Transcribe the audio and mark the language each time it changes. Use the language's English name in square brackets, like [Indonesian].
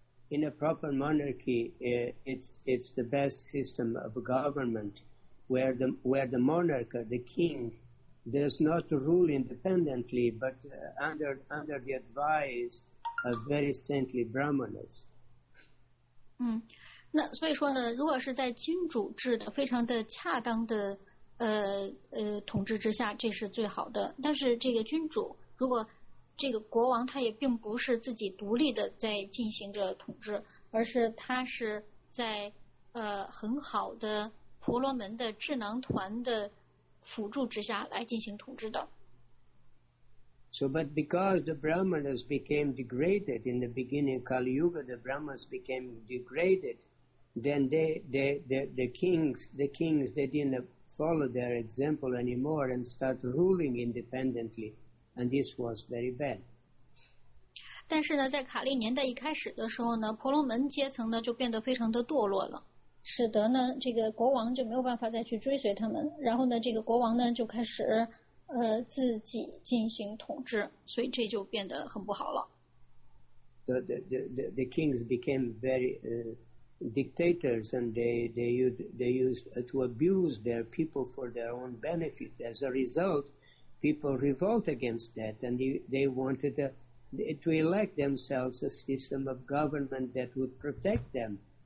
[English] In a proper monarchy it's the best system of government where the monarch, the king, does not rule independently, but under the advice of very saintly brahmanas. [Chinese] 那所以说呢，如果是在君主制的非常的恰当的统治之下，这是最好的。但是这个君主，如果这个国王他也并不是自己独立的在进行着统治，而是他是在很好的婆罗门的智囊团的辅助之下来进行统治的。 [English] So, but because the Brahmanas became degraded in the beginning of Kali Yuga, the Brahmanas became degraded. Then they the kings they didn't follow their example anymore and start ruling independently, and this was very bad. [Chinese] 但是呢，在卡利年代一开始的时候呢，婆罗门阶层呢就变得非常的堕落了。使得呢，这个国王就没有办法再去追随他们。然后呢，这个国王呢就开始自己进行统治，所以这就变得很不好了。 [English] The kings became very dictators, and they used to abuse their people for their own benefit. As a result, people revolt against that, and they wanted to elect themselves a system of government that would protect them.